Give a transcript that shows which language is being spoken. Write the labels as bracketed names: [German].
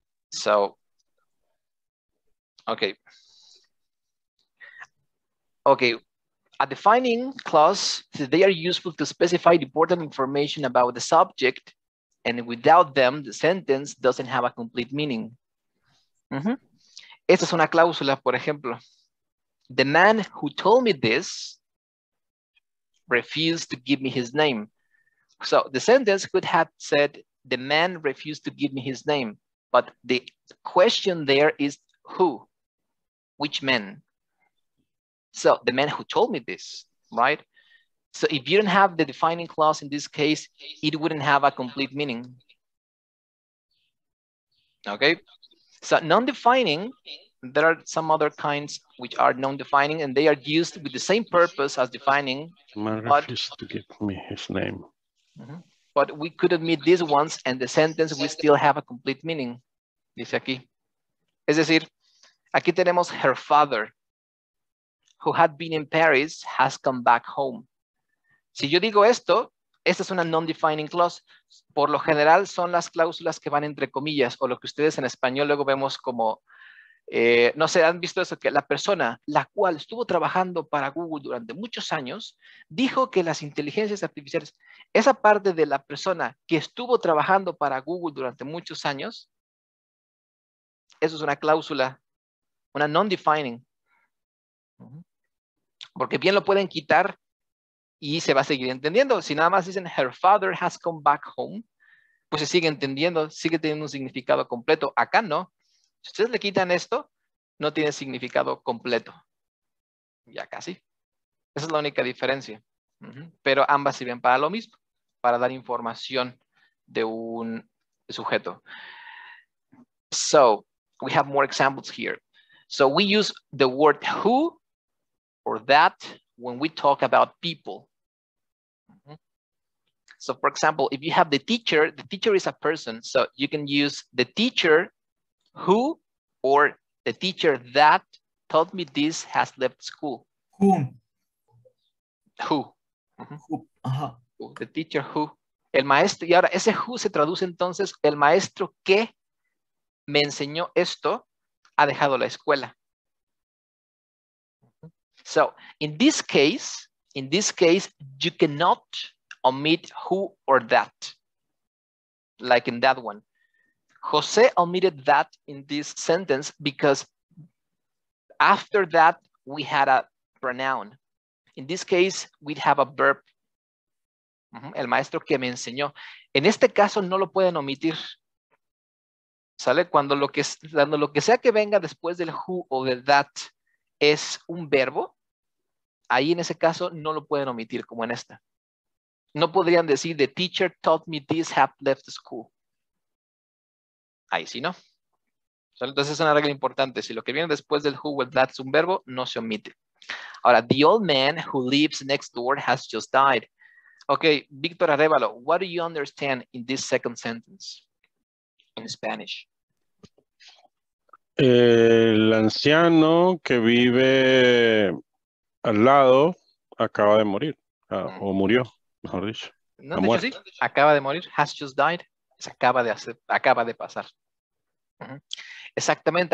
[English] So, okay. Okay, a defining clause, they are useful to specify important information about the subject, and without them, the sentence doesn't have a complete meaning. Mm-hmm. [Spanish] Esta es una cláusula, por ejemplo. [English] The man who told me this refused to give me his name. So the sentence could have said, the man refused to give me his name. But the question there is who, which man? So the man who told me this, right? So if you don't have the defining clause in this case, it wouldn't have a complete meaning. Okay, so non-defining, there are some other kinds which are non-defining and they are used with the same purpose as defining. Man refused to give me his name. But we could omit these ones and the sentence will still have a complete meaning. [Spanish] Dice aquí. Es decir, aquí tenemos [English] her father, who had been in Paris, has come back home. [Spanish] Si yo digo esto, esta es una non-defining clause. Por lo general son las cláusulas que van entre comillas o lo que ustedes en español luego vemos como, no sé, han visto eso, que la persona la cual estuvo trabajando para Google durante muchos años, dijo que las inteligencias artificiales, esa parte de la persona que estuvo trabajando para Google durante muchos años, eso es una cláusula, una non-defining. Porque bien lo pueden quitar y se va a seguir entendiendo. Si nada más dicen, [English] her father has come back home, [Spanish] pues se sigue entendiendo, sigue teniendo un significado completo. Acá no. Si ustedes le quitan esto, no tiene significado completo. Ya casi. Esa es la única diferencia. Pero ambas sirven para lo mismo, para dar información de un sujeto. [English] So, we have more examples here. So, we use the word who or that when we talk about people. So, for example, if you have the teacher is a person, so you can use the teacher who or the teacher that taught me this has left school. Who? Who? Who? Uh-huh. The teacher who? [Spanish] El maestro. Y ahora ese who se traduce entonces, el maestro que me enseñó esto ha dejado la escuela. [English] So, in this case, you cannot omit who or that. Like in that one. José omitted that in this sentence because after that we had a pronoun. In this case, we'd have a verb. [Spanish] El maestro que me enseñó. En este caso no lo pueden omitir. ¿Sale? Cuando lo que sea que venga después del who o del that es un verbo, ahí en ese caso no lo pueden omitir como en esta. No podrían decir [English] the teacher taught me this had left school. [Spanish] Ahí sí, ¿no? Entonces es una regla importante. Si lo que viene después del who o el that es un verbo, no se omite. Ahora, [English] the old man who lives next door has just died. Ok, Víctor Arévalo, what do you understand in this second sentence in Spanish? [Spanish] El anciano que vive al lado acaba de morir. O murió, mejor dicho. ¿No ha muerto? Dicho, sí. Acaba de morir. [English] Has just died. [Spanish] Se acaba de hacer, acaba de pasar. Exactamente.